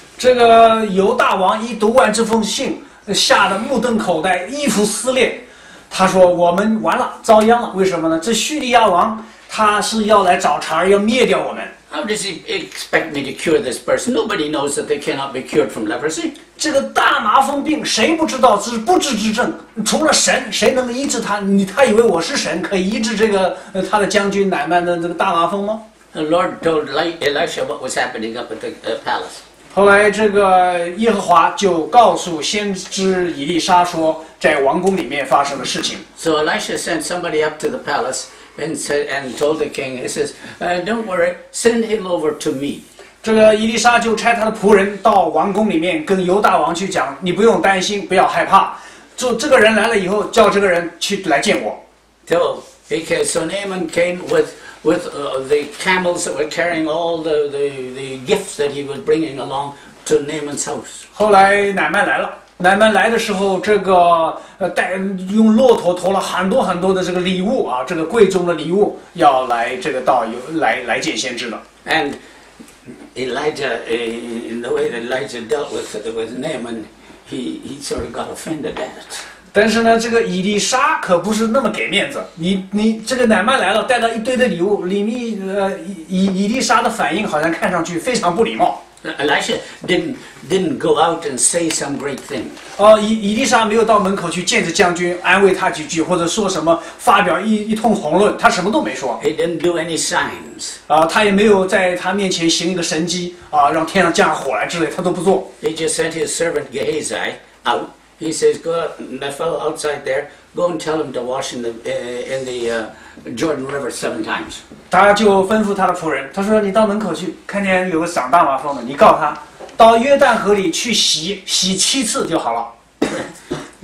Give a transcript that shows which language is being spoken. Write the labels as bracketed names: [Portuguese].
[Chinese] 这个犹大王一读完这封信，吓得目瞪口呆，衣服撕裂。他说：“我们完了，遭殃了。为什么呢？这叙利亚王他是要来找茬，要灭掉我们。” [English] How does he expect me to cure this person? Nobody knows that they cannot be cured from leprosy. [Chinese] 这个大麻风病谁不知道是不治之症？除了神，谁能医治他？他以为我是神，可以医治这个他的将军乃曼的这个大麻风吗？ [English] The Lord told Elisha what was happening up at the palace. [Chinese] 后来这个耶和华就告诉先知以利沙说，在王宫里面发生的事情。 [English] So Elisha sent somebody up to the palace. And said and told the king, he says, "Don't worry, send him over to me." [Chinese] 这个伊丽莎就差他的仆人到王宫里面跟犹大王去讲，你不用担心，不要害怕。就这个人来了以后，叫这个人去来见我。 [English] So Naaman came with the camels that were carrying all the gifts that he was bringing along to Naaman's house. [Chinese] 后来乃曼来了。乃曼来的时候，这个带用骆驼驮了很多很多的这个礼物啊，这个贵重的礼物，要来这个到有来见先知了。 [English] And Elijah, in the way that Elijah dealt with Naaman, he sort of got offended at it. [Chinese] 但是呢，这个以利沙可不是那么给面子。你这个乃曼来了，带了一堆的礼物，以利沙的反应好像看上去非常不礼貌。 [English] Elisha didn't go out and say some great thing. [Chinese] 以利沙没有到门口去见着将军，安慰他几句，或者说什么，发表一通宏论，他什么都没说。 [English] He didn't do any signs. [Chinese] 他也没有在他面前行一个神迹，让天上降火来之类，他都不做。 [English] He just sent his servant Gehazi out. He says, "Go, my fellow outside there, go and tell him to wash in the Jordan River seven times." [Chinese] 他就吩咐他的仆人，他说：“你到门口去，看见有个长大麻风的，你告他，到约旦河里去洗七次就好了。”